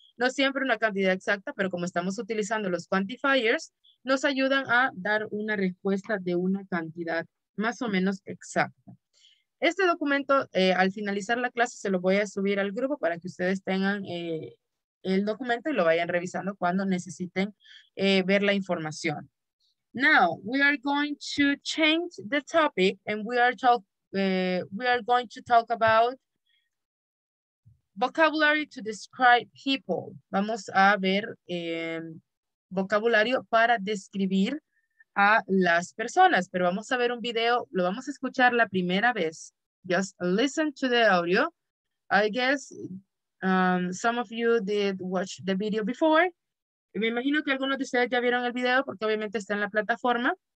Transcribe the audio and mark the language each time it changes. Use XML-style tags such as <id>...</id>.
<es>No siempre una cantidad exacta, pero como estamos utilizando los quantifiers, nos ayudan a dar una respuesta de una cantidad más o menos exacta. Este documento, al finalizar la clase, se lo voy a subir al grupo para que ustedes tengan el documento y lo vayan revisando cuando necesiten ver la información.</es> <en>Now, we are going to change the topic and we are going to talk about vocabulary to describe people.</en> <es>Vamos a ver vocabulario para describir a las personas, pero vamos a ver un video, lo vamos a escuchar la primera vez.</es> <en>Just listen to the audio. I guess some of you did watch the video before.</en> <es>Me imagino que algunos de ustedes ya vieron el video porque obviamente está en la plataforma.</es>